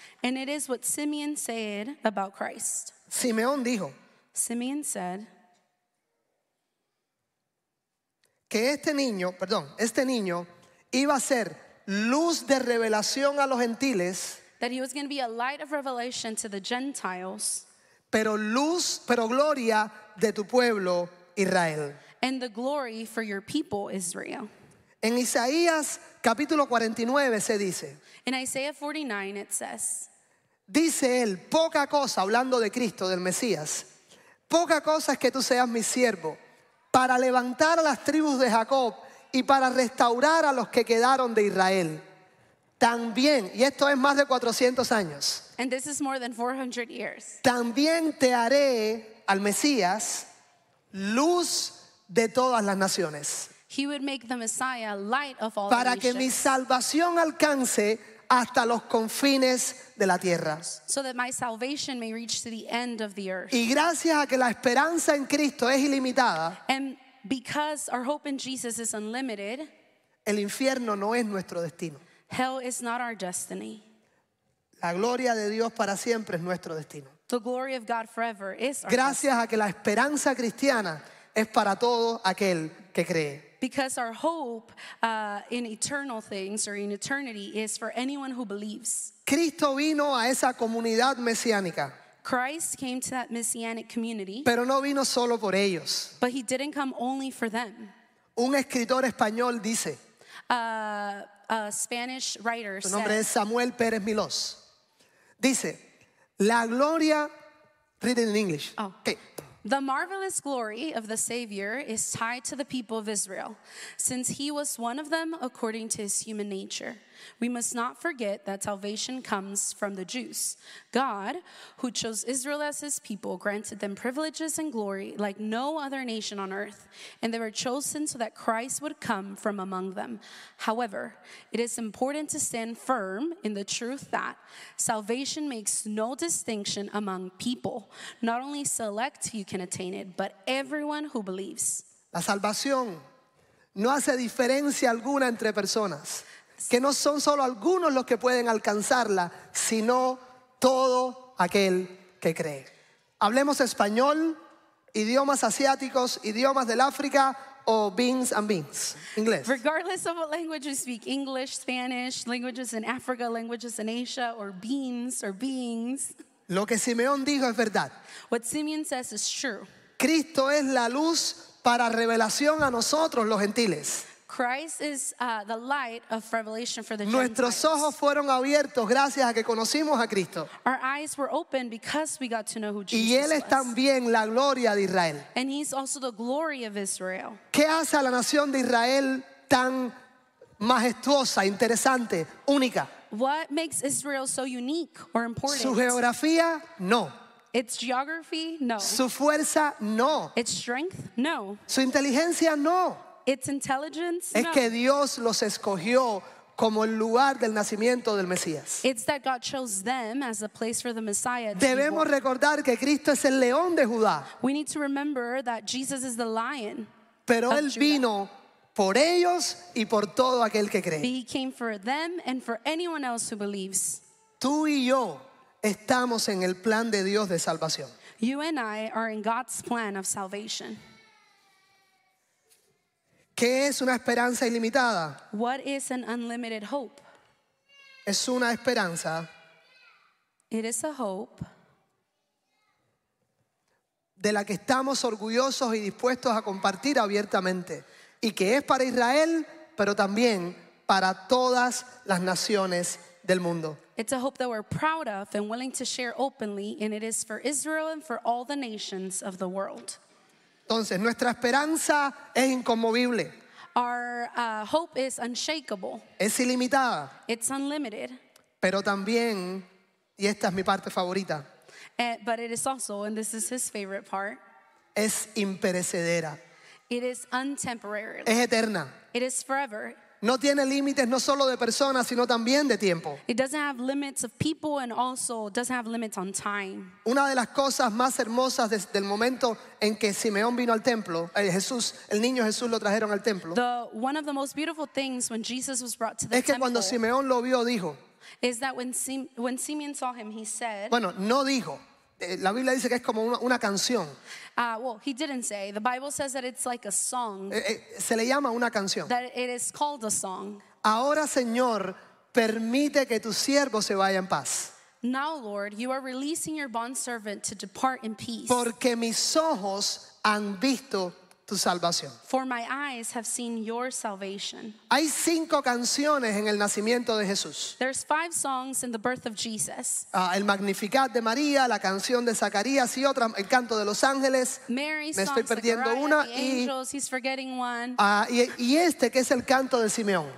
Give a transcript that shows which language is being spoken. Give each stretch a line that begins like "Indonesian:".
English: And it is what Simeon said about Christ.
Spanish: Simeón dijo,
English: Simeon said,
Spanish: que este niño iba a ser luz de revelación a los gentiles.
English: That he was going to be a light of revelation to the Gentiles.
Spanish: Pero luz, pero gloria de tu pueblo Israel.
English: And the glory for your people Israel.
Spanish: En Isaías capítulo 49 se dice.
English: In Isaiah 49 it says.
Spanish: Dice él, poca cosa, hablando de Cristo, del Mesías. Poca cosa es que tú seas mi siervo para levantar a las tribus de Jacob y para restaurar a los que quedaron de Israel. También, y esto es más de 400 años.
English: And this is more than 400 years.
Spanish: También te haré al Mesías luz de todas las naciones.
English: He would make the Messiah light of all
Spanish: para
English: the
Spanish: que
English: nations.
Spanish: Mi salvación alcance hasta los confines de la tierra.
English: So that my salvation may reach to the end of the earth.
Spanish: Y gracias a que la esperanza en Cristo es ilimitada.
English: And because our hope in Jesus is unlimited.
Spanish: El infierno no es nuestro destino.
English: Hell is not our destiny.
Spanish: La gloria de Dios para siempre es nuestro destino.
English: The glory of God forever is our destiny.
Spanish: Gracias a que la esperanza cristiana es para todo aquel que cree.
English: Because our hope in eternal things or in eternity is for anyone who believes.
Spanish: Cristo vino a esa comunidad mesiánica.
English: Christ came to that messianic community.
Spanish: Pero no vino solo por ellos.
English: But he didn't come only for them.
Spanish: Un escritor español dice.
English: A Spanish writer
Spanish: said. Su nombre
English: said,
Spanish: es Samuel Pérez Milós. Dice, la gloria,
English: written in English. Oh. Okay. The marvelous glory of the Savior is tied to the people of Israel, since he was one of them according to his human nature. We must not forget that salvation comes from the Jews. God, who chose Israel as his people, granted them privileges and glory like no other nation on earth, and they were chosen so that Christ would come from among them. However, it is important to stand firm in the truth that salvation makes no distinction among people. Not only select you can attain it, but everyone who believes.
Spanish: La salvación no hace diferencia alguna entre personas. Que no son solo algunos los que pueden alcanzarla, sino todo aquel que cree. Hablemos español, idiomas asiáticos, idiomas del África o
English: beans and beans.
Spanish: Inglés.
English: Regardless of what language you speak, English, Spanish, languages in Africa, languages in Asia, or beans or beings.
Spanish: Lo que Simeón dijo es verdad.
English: What Simeon says is true.
Spanish: Cristo es la luz para revelación a nosotros los gentiles.
English: Christ is the light of revelation for the Gentiles.
Spanish: Nuestros ojos fueron abiertos gracias a que conocimos a Cristo.
English: Our eyes were open because we got to know who Jesus was.
Spanish: Y él es también la gloria de Israel.
English: And he's also the glory of Israel.
Spanish: ¿Qué hace a la nación de Israel tan majestuosa, interesante, única?
English: What makes Israel so unique or important?
Spanish: Su geografía, no.
English: Its geography, no.
Spanish: Su fuerza, no.
English: Its strength, no.
Spanish: Su inteligencia, no.
English: Its intelligence,
Spanish: es
English: no.
Spanish: Que Dios los escogió como el lugar del nacimiento del Mesías.
English: It's that God chose them as a place for the Messiah.
Spanish: Debemos recordar que Cristo es el león de Judá.
English: We need to remember that Jesus is the lion.
Spanish: Pero
English: of
Spanish: él
English: Judah.
Spanish: Vino por ellos y por todo aquel que cree.
English: He came for them and for anyone else who believes.
Spanish: Tú y yo estamos en el plan de Dios de salvación.
English: You and I are in God's plan of salvation.
Spanish: ¿Qué es una esperanza ilimitada?
English: What is an unlimited hope?
Spanish: Es una esperanza.
English: It is a hope.
Spanish: De la que estamos orgullosos y dispuestos a compartir abiertamente. Y que es para Israel, pero también para todas las naciones del mundo.
English: It's a hope that we're proud of and willing to share openly, and it is for Israel and for all the nations of the world.
Spanish: Entonces, nuestra esperanza es inconmovible.
English: Our hope is unshakable.
Spanish: Es ilimitada.
English: It's unlimited.
Spanish: Pero también, y esta es mi parte favorita.
English: But it is also, and this is his favorite part.
Spanish: Es imperecedera.
English: It is untemporary.
Spanish: Es eterna.
English: It is forever.
Spanish: No tiene límites no solo de personas, sino también de tiempo.
English: It doesn't have limits of people and also doesn't have limits on time.
Spanish: Una de las cosas más hermosas desde el momento en que Simeón vino al templo, Jesús, el niño Jesús lo trajeron al templo.
English: One of the most beautiful things when Jesus was brought to the temple.
Spanish: Es que cuando Simeón lo vio, dijo.
English: Is that when Simeon saw him, he said.
Spanish: Bueno, no dijo. La Biblia dice que es como una canción.
English: Well, he didn't say. The Bible says that it's like a song.
Spanish: Se le llama una canción.
English: That it is called a song.
Spanish: Ahora, Señor, Permite que tu siervo se vaya en paz.
English: Now, Lord, you are releasing your bondservant to depart in peace.
Spanish: Porque mis ojos han visto tu salvación.
English: For my eyes have seen your salvation.
Spanish: Hay cinco canciones en el nacimiento de Jesús.
English: There's five songs in the birth of Jesus.
Spanish: El Magnificat de María, la canción de Zacarías y otra, el canto de los ángeles.
English: Mary's
Spanish: Me estoy
English: song,
Spanish: perdiendo
English: Zachariah,
Spanish: una.
English: Angels,
Spanish: y,
English: he's forgetting one.
Spanish: Y este que es el canto de Simeón.